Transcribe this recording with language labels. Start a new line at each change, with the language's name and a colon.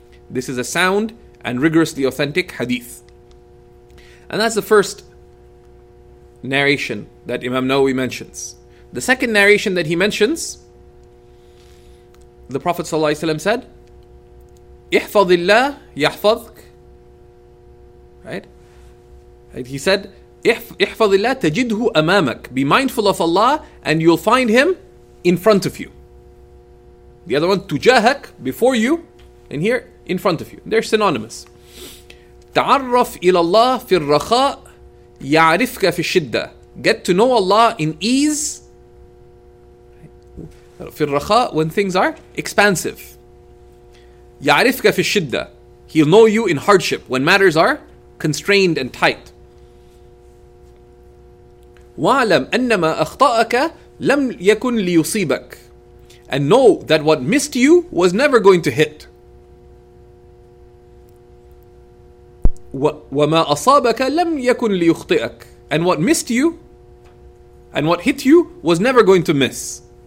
English: This is a sound and rigorously authentic hadith. And that's the first narration that Imam Nawawi mentions. The second narration that he mentions, the Prophet ﷺ said,
Arabic: احفظ الله يحفظك.
English: Right? He said,
Arabic: احفظ الله تجده أمامك.
English: Be mindful of Allah and you'll find him in front of you. The other one, تجاهك, before you, and here, in front of you. They're synonymous.
Arabic: تعرف إلى الله في الرخاء يعرفك في الشدة.
English: Get to know Allah in ease.
Arabic: في الرخاء,
English: when things are expansive.
Arabic: يعرفك في الشدة.
English: He'll know you in hardship, when matters are constrained and tight.
Arabic: وعلم أنما أخطأك لم يكن ليصيبك.
English: And know that what missed you was never going to hit.
Arabic: وما أصابك لم يكن ليخطئك.
English: And what missed you and what hit you was never going to miss.